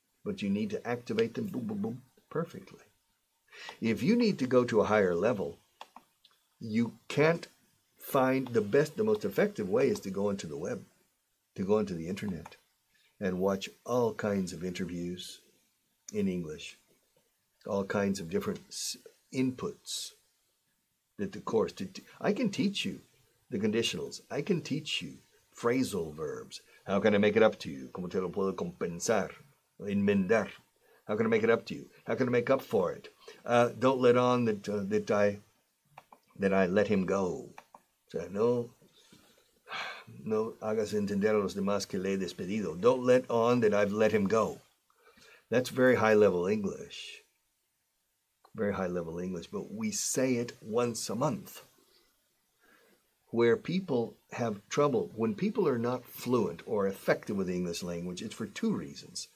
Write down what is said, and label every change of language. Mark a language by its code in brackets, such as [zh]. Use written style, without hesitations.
[en] but you need to activate them boom, boom, boom, perfectly. If you need to go to a higher level, you can't find the best, the most effective way is to go into the web, to go into the internet and watch all kinds of interviews in English, all kinds of different inputs that the course, I can teach you the conditionals. I can teach you phrasal verbs. How can I make it up to you? [es] ¿Cómo te lo puedo compensar? Enmendar. [en] How can I make it up to you? How can I make up for it? Don't let on that that I let him go. [es] No hagas entender a los demás que le he despedido. [en] Don't let on that I've let him go. That's very high level English. Very high level English, but we say it once a month. Where people have trouble, when people are not fluent or effective with the English language, it's for two reasons.